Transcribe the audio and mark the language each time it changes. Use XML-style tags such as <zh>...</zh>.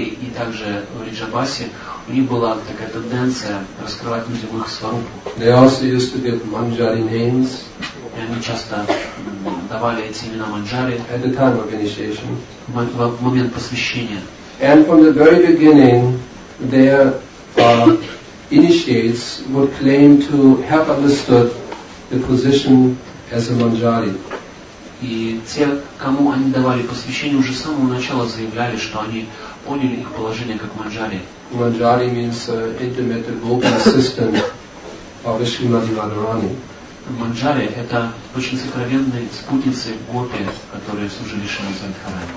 <ru>и также Риджабаси, у них была такая тенденция раскрывать людям их сварупу.</ru> <en>They also used to get Manjari names.</en> <ru>И они часто давали эти имена Манджари.</ru> <en>At the time of initiation.</en> <ru>В момент посвящения.</ru> <en>And from the very beginning, their initiates would claim to have understood the position as a Manjari.</en> <ru>И те, кому они давали посвящение, уже с самого начала заявляли, что они поняли их положение как Манджари.</ru> <en>Манджари means intimate vocal assistant of Шримати Радхарани.</en> <ru>Манджари — это очень сокровенные спутницы гопи, которые служили Шримати Радхарани.</ru>